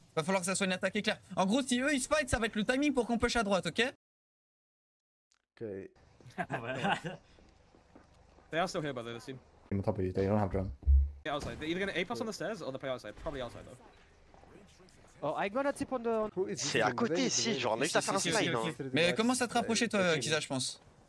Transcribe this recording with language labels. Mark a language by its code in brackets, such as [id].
[fr] Va falloir que ça soit une attaque éclair. En gros, si eux ils fight, ça va être le timing pour qu'on push à droite, ok? Ok. [en] They are still here, by the way, this team. On top of you, they don't have drone. Yeah, outside. They're either gonna ape us on the stairs or they play outside. Probably outside though. Oh, I gonna tip on the. [fr] C'est à côté ici, genre, on a juste à faire un slide. Mais commence à te rapprocher, toi, Kiza, je pense.